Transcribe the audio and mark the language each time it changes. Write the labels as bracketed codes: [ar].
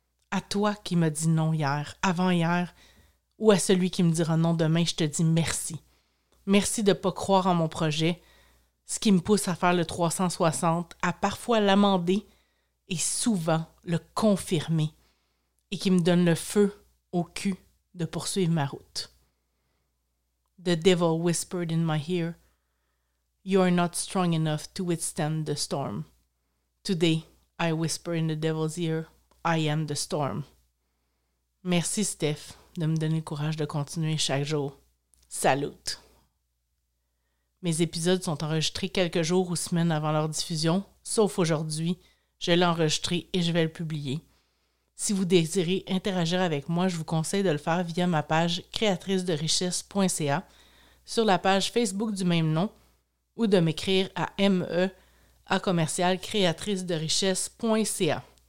[fr] À toi qui m'as dit non hier, avant-hier, ou à celui qui me dira non demain, je te dis merci. Merci de ne pas croire en mon projet, ce qui me pousse à faire le 360, à parfois l'amender et souvent le confirmer, et qui me donne le feu au cul de poursuivre ma route. [en] The devil whispered in my ear, "You are not strong enough to withstand the storm. Today, I whisper in the devil's ear, I am the storm." [fr] Merci, Steph, de me donner le courage de continuer chaque jour. Salut! Mes épisodes sont enregistrés quelques jours ou semaines avant leur diffusion, sauf aujourd'hui. Je l'ai enregistré et je vais le publier. Si vous désirez interagir avec moi, je vous conseille de le faire via ma page créatricederichesse.ca, sur la page Facebook du même nom, ou de m'écrire à me@commercialcreatricederichesse.ca.